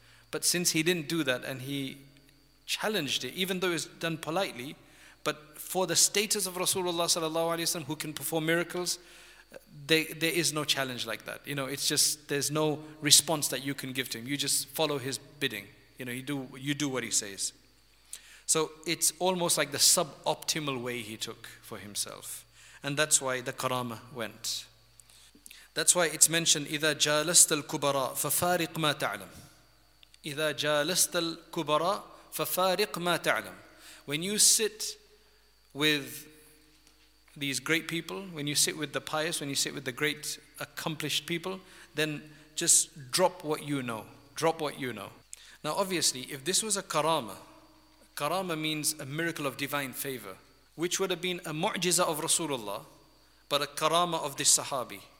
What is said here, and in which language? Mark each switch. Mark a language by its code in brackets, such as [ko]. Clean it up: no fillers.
[en] But since he didn't do that and he challenged it, even though it's done politely, but for the status of Rasulullah sallallahu alaihi wasallam, who can perform miracles, there is no challenge like that. You know, it's just, there's no response that you can give to him. You just follow his bidding. You know, you do what he says. So it's almost like the suboptimal way he took for himself. And that's why the karama went. That's why it's mentioned, [ar] إِذَا جَالَسْتَ الْكُبَرَىٰ فَفَارِقْ مَا تَعْلَمْ. إِذَا جَالَسْتَ الْكُبَرَىٰ فَفَارِقْ مَا تَعْلَمْ. [en] When you sit with these great people, when you sit with the pious, when you sit with the great accomplished people, then just drop what you know. Drop what you know. Now obviously, if this was a karama, karama means a miracle of divine favor, which would have been a mu'jiza of Rasulullah, but a karama of this sahabi.